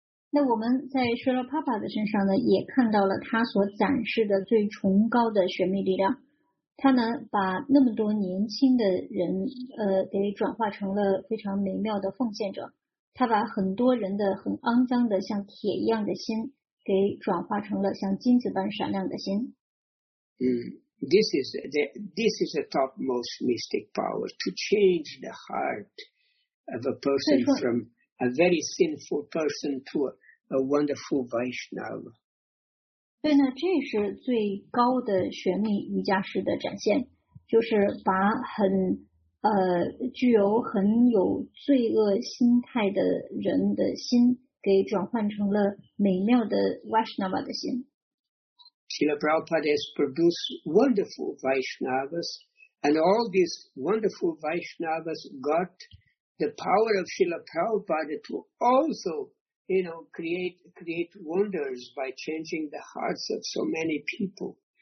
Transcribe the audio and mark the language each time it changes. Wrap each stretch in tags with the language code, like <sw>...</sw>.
<zh>那我们在舍勒帕帕的身上呢，也看到了他所展示的最崇高的玄秘力量。他呢，把那么多年轻的人，给转化成了非常美妙的奉献者。他把很多人的很肮脏的像铁一样的心，给转化成了像金子般闪亮的心。</zh> <en>This is the topmost mystic power to change the heart of a person from. A very sinful person to a wonderful Vaishnava.</en> <zh>对呢，这是最高的玄秘瑜伽师的展现，就是把很具有很有罪恶心态的人的心给转换成了美妙的 Vaishnava 的心。</zh> <en>Srila Prabhupada has produced wonderful Vaishnavas, and all these wonderful Vaishnavas got the power of Srila Prabhupada to also, you know, create wonders by changing the hearts of so many people.</en>